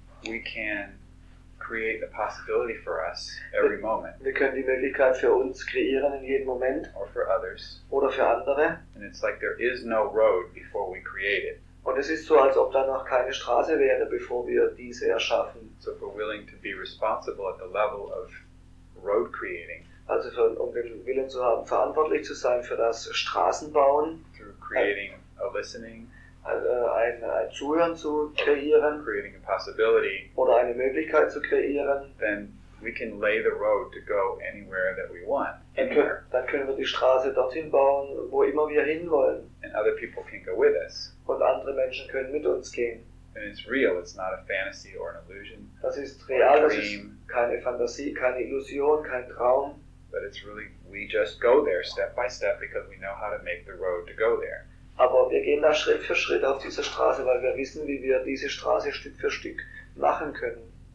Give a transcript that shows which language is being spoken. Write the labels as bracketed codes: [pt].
[en] we can create the possibility for us every moment. [de] Wir können die Möglichkeit für uns kreieren in jedem Moment. [en] Or for others. [de] Oder für andere. [en] And it's like there is no road before we create it. [de] Und es ist so, als ob da noch keine Straße wäre, bevor wir diese erschaffen. [en] So if we're willing to be responsible at the level of road creating. [de] Also um den Willen zu haben, verantwortlich zu sein für das Straßenbauen. [en] Through creating a listening. [de] Ein Zuhören zu kreieren, [en] creating a possibility, [de] oder eine Möglichkeit zu kreieren, [en] then we can lay the road to go anywhere that we want. [de] Dann können wir die Straße dorthin bauen, wo immer wir hinwollen. [en] And other people can go with us. [de] Und andere Menschen können mit uns gehen. [en] And it's real, it's not a fantasy or an illusion. [de] Das ist real, das ist keine Fantasie, keine Illusion, kein Traum. [en] But it's really, we just go there step by step because we know how to make the road to go there. [de] Aber wir gehen da Schritt für Schritt auf dieser Straße, weil wir wissen, wie wir diese Straße Stück für Stück machen können.